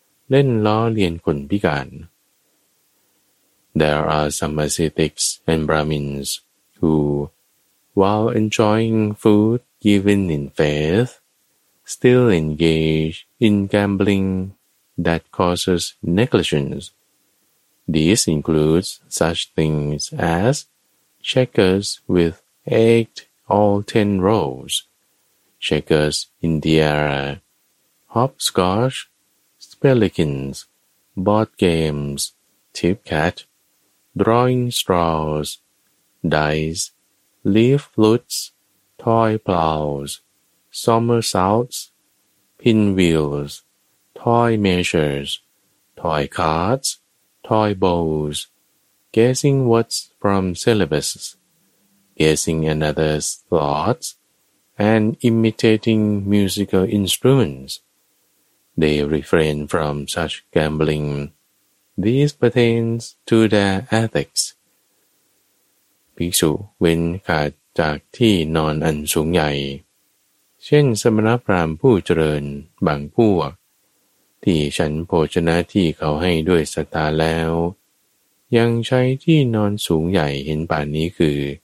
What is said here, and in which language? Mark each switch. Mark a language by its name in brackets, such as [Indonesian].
[Thai] เล่นล้อเลียนคนพิการ [English] There are some ascetics and Brahmins who, while enjoying food given in faith, still engage in gambling that causes negligence. This includes such things as checkers with egged all 10 rows, checkers in the air, hopscotch, spelikins, board games, tip cat, drawing straws, dice, leaf flutes, toy plows, somersaults, pinwheels, toy measures, toy cards, toy bowls, guessing words from syllables, guessing another's thoughts, and imitating musical instruments. They refrain from such gambling. This pertains to their ethics. [Thai] ภิกษุเว้นขาดจากที่นอนอันสูงใหญ่เช่นสมณพราหมณ์ผู้เจริญบางพวกที่ฉันโภชนะที่เขาให้ด้วยศรัทธาแล้วยังใช้ที่นอนสูงใหญ่เห็นป่านนี้คือ